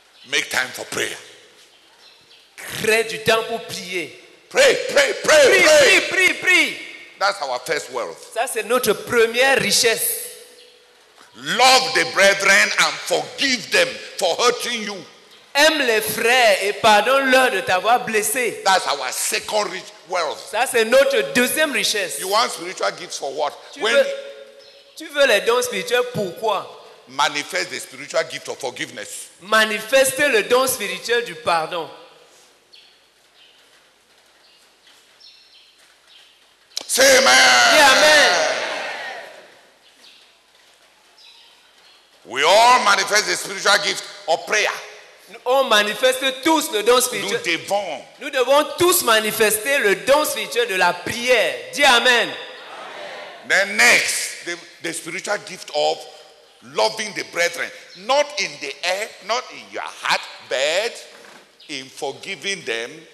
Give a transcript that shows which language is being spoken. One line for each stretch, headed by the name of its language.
English: Make time for prayer.
French: Crée du temps pour prier.
English: Pray. That's our first wealth.
French: Ça, c'est notre première richesse.
English: Love the brethren and forgive them for hurting you.
French: Aime les frères et pardonne-leur de t'avoir blessé.
English: That's our second rich wealth.
French: Ça, c'est notre deuxième richesse.
English: You want spiritual gifts for what?
French: Tu veux les dons spirituels pourquoi? Manifeste le
English: spiritual gift of forgiveness.
French: Manifestez le don spirituel du pardon.
English: Say amen. Yeah, amen. We all manifest the spiritual gift of prayer.
French: On manifeste tous le don spirituel. Nous devons tous manifester le don spirituel de la prière. Dis amen. Amen.
English: Then next, the spiritual gift of loving the brethren, not in the air, not in your heart, but in forgiving them